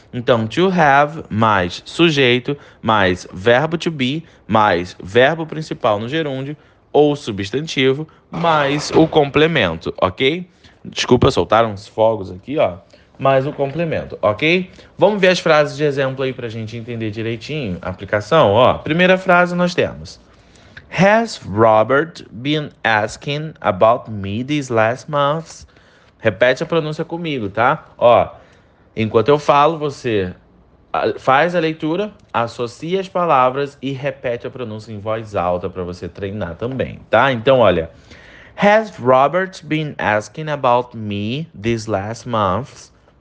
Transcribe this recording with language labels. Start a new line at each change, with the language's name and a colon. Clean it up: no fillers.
Portuguese: Então, to have mais sujeito, mais verbo to be, mais verbo principal no gerúndio, ou substantivo, mais o complemento, ok? Desculpa, soltaram uns fogos aqui, ó. Mais o complemento, ok? Vamos ver as frases de exemplo aí pra gente entender direitinho a aplicação, ó. Primeira frase nós temos.
English: Has Robert been asking about me these last months?
Portuguese: Repete a pronúncia comigo, tá? Ó, enquanto eu falo, você faz a leitura, associa as palavras e repete a pronúncia em voz alta pra você treinar também, tá? Então, olha.
English: Has Robert been asking about me these last months?